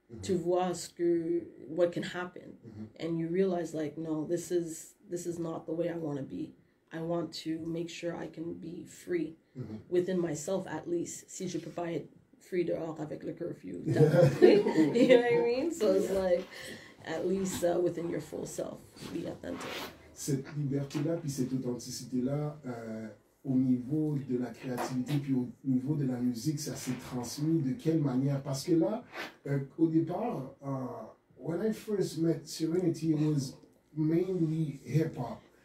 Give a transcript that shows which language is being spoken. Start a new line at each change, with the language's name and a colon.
French: Tu vois ce que
English: what can happen, and you realize like, no, this is not the way I want to be. I want to make sure I can be free within myself at least.
French: Si je peux pas être free dehors avec le curfew, definitely.
English: You know what I mean? So it's like, at least within your full self, be authentic.
French: Cette liberté-là, puis cette authenticité-là, au niveau de la créativité, puis au niveau de la musique, ça s'est transmis de quelle manière? Parce que là, au départ,
English: when I first met Serenity, it was mainly hip-hop.